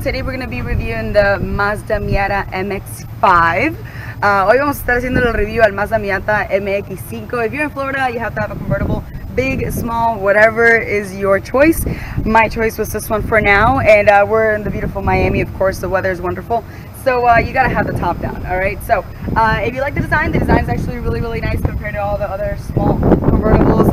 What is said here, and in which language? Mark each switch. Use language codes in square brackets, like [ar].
[en] Today we're going to be reviewing the Mazda Miata MX-5. [es] Hoy vamos a estar haciendo el review al Mazda Miata MX-5. [en] If you're in Florida, you have to have a convertible, big, small, whatever is your choice. My choice was this one for now, and we're in the beautiful Miami. Of course, the weather is wonderful, so you gotta have the top down. All right. So if you like the design is actually really, really nice compared to all the other small convertibles.